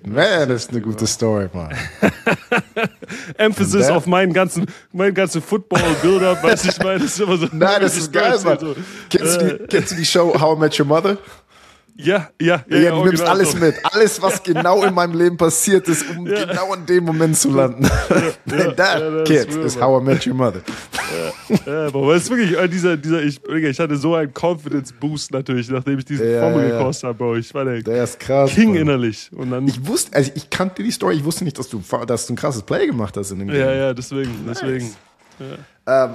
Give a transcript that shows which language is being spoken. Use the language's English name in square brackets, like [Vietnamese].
[German] Man, das ist eine gute Story, man. Emphasis auf meinen ganzen Football-Build-up, weißt du, ich meine, das ist immer so. Nein, das ist geil, man. So. Kennst du die Show How I Met Your Mother? Ja, du nimmst genau alles so mit. Alles, was genau in meinem Leben passiert ist, um genau in dem Moment zu landen. [English] That is how I met your mother. [German] Aber es ist wirklich ich hatte so einen Confidence-Boost natürlich, nachdem ich diesen Formel gekostet habe. Bro. Ich war der ist krass, King, Mann. Innerlich. Und dann ich kannte die Story, ich wusste nicht, dass du ein krasses Play gemacht hast in dem Game. Ja, deswegen. Nice. Deswegen. Ja.